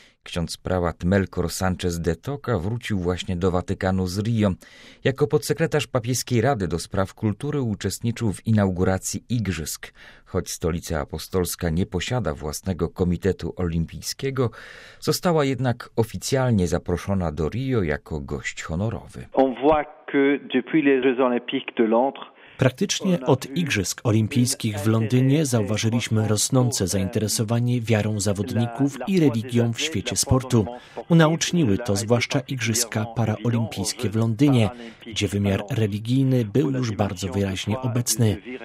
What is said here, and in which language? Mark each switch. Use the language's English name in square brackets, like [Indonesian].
[Polish] Ksiądz prałat Melkor Sanchez de Toca wrócił właśnie do Watykanu z Rio. Jako podsekretarz papieskiej Rady do spraw kultury uczestniczył w inauguracji igrzysk. Choć stolica apostolska nie posiada własnego komitetu olimpijskiego, została jednak oficjalnie zaproszona do Rio jako gość honorowy. [French] On voit que depuis les Jeux Olympiques de Londres. [Polish] Praktycznie od Igrzysk Olimpijskich w Londynie zauważyliśmy rosnące zainteresowanie wiarą zawodników i religią w świecie sportu. Unaoczniły to zwłaszcza Igrzyska Paraolimpijskie w Londynie, gdzie wymiar religijny był już bardzo wyraźnie obecny.